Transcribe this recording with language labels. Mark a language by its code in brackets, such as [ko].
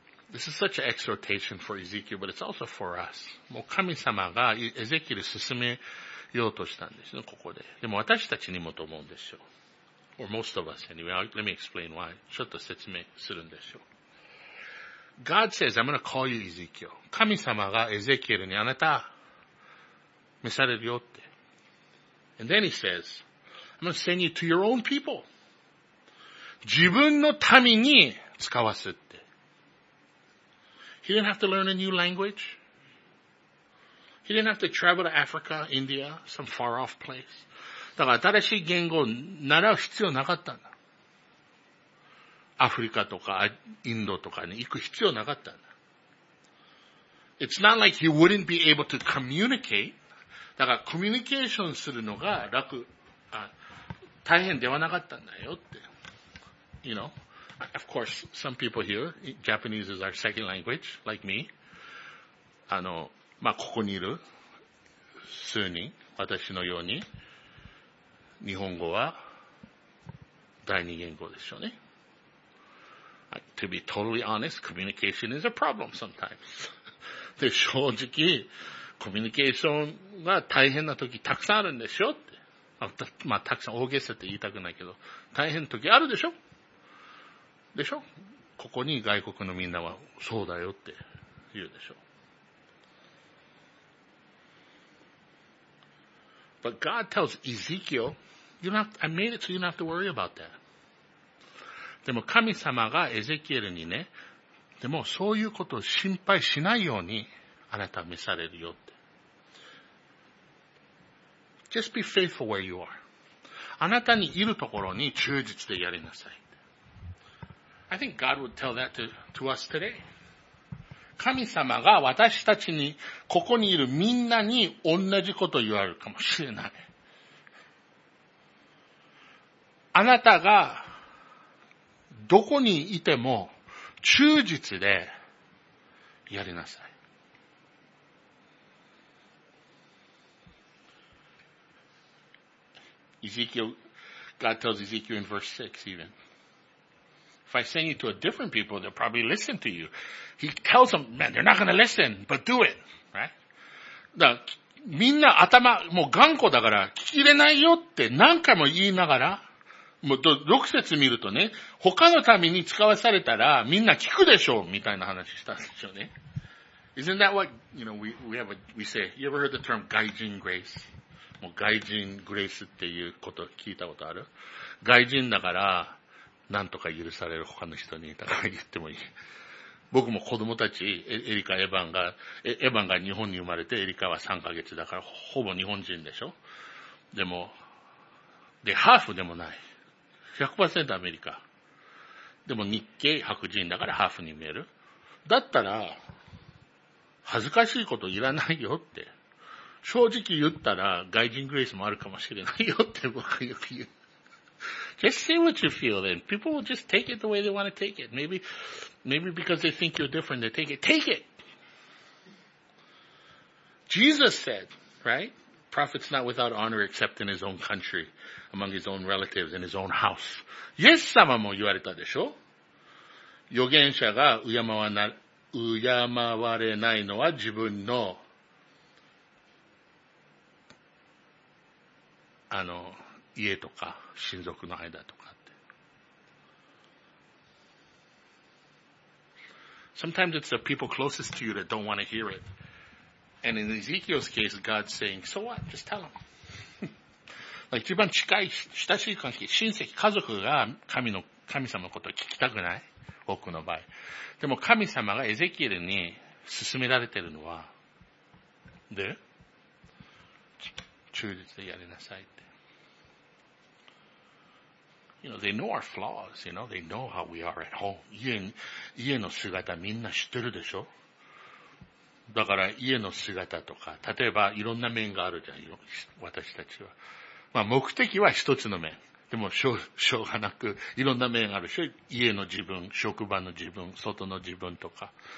[en] This is such an exhortation for Ezekiel, but it's also for us. [ja] もう神様がエゼキエル進めようとしたんですね、ここで。でも私たちにもと思うんですよ。 [en] Or most of us anyway. Let me explain why. [ja] ちょっと説明するんですよ。 [en] God says, I'm going to call you Ezekiel. [ja] 神様がエゼキエルにあなた、召されるよって。 [en] And then he says, I'm going to send you to your own people. [ja] 自分の民に使わすって。 [en] He didn't have to learn a new language. He didn't have to travel to Africa, India, some far off place. [ja] だから新しい言語を習う必要なかったんだ。アフリカとかインドとかに行く必要なかったんだ。 [en] It's not like he wouldn't be able to communicate. [ja] だからコミュニケーションするのが楽、大変ではなかったんだよって。 [en] You know? Of course, some people here, Japanese is our second language, like me. [ja] まあ、ここにいる数人、私のように、日本語は第二言語でしょうね。 To be totally honest, communication is a problem sometimes. で、正直、コミュニケーションが大変な時たくさんあるんでしょって。まあ、たくさん大げさって言いたくないけど、大変な時あるでしょでしょ? ここに外国のみんなはそうだよって言うでしょ。 [en] But God tells Ezekiel, I made it so you don't have to worry about that. [ja] でも神様がエゼキエルにね、でもそういうことを心配しないようにあなたは召されるよって。 [en] Just be faithful where you are. [ja] あなたにいるところに忠実でやりなさい。 [en] I think God would tell that to us today. [ja] 神様が私たちに、ここにいるみんなに同じことを言われるかもしれない。あなたがどこにいても忠実でやりなさい。 [en] Ezekiel, God tells Ezekiel in verse 6 even. If I send you to a different people, they'll probably listen to you. He tells them, man, they're not going to listen, but do it. Right? [ja] だみんな頭、もう頑固だから聞き入れないよって何回も言いながら、もう6節見るとね、他の民に使わされたらみんな聞くでしょうみたいな話したんですよね。 [en] Isn't that what, you know, we say, you ever heard the term 外人 grace? [ja] もう外人グレイスっていうこと聞いたことある? 外人だから何とか許される他の人にだから言ってもいい。僕も子供たち、エリカ、エヴァンが日本に生まれてエリカは3ヶ月だからほぼ日本人でしょ? でも、で、ハーフでもない。100% アメリカ。でも日系白人だからハーフに見える。だったら、恥ずかしいこといらないよって。正直言ったら外人グレースもあるかもしれないよって僕はよく言う。 [en] Just say what you feel then. People will just take it the way they want to take it. Maybe because they think you're different, they take it. Take it! Jesus said, right? Prophet's not without honor except in his own country, among his own relatives, in his own house. イエス様も言われたでしょ?預言者が敬われないのは自分のあの家とか親族の間とかって。 Sometimes it's the people closest to you that don't want to hear it. And in Ezekiel's case, God's saying, so what? Just tell them. [ja] like, 一番近い親しい関係、親戚、家族が神様のことを聞きたくない?多くの場合。でも神様がエゼキエルに勧められてるのは、で、忠実でやりなさい。 You know, they know our flaws, you know, they know how we are at home. 家の姿みんな知ってるでしょ?だから家の姿とか、例えばいろんな面があるじゃん、私たちは。まあ目的は一つの面。でもしょうがなくいろんな面があるでしょ? 家の自分、職場の自分、外の自分とか。